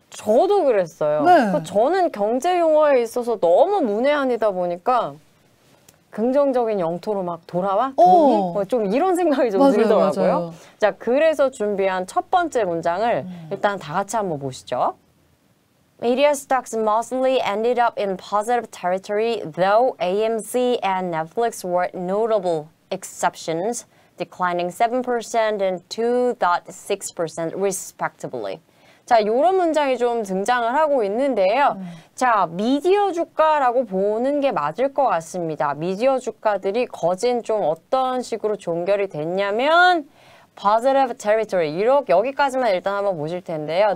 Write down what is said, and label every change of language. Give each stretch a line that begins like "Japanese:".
Korean: 저도 그랬어요. 네. 저는 경제 용어에 있어서 너무 문외한이다 보니까 긍정적인 영토로 막 돌아와? 좀 이런 생각이 좀 맞아요, 들더라고요. 맞아요. 자, 그래서 준비한 첫 번째 문장을 일단 다 같이 한번 보시죠.
English: Media stocks mostly ended up in positive territory though AMC and Netflix were notable exceptions. Declining 7% and 2.6% respectively.
Korean: 자, 이런 문장이 좀 등장을 하고 있는데요. 자, 미디어 주가라고 보는 게 맞을 것 같습니다. 미디어 주가들이 거진 좀 어떤 식으로 종결이 됐냐면
English: positive territory.
Korean: 이렇게 여기까지만 일단 한번 보실 텐데요.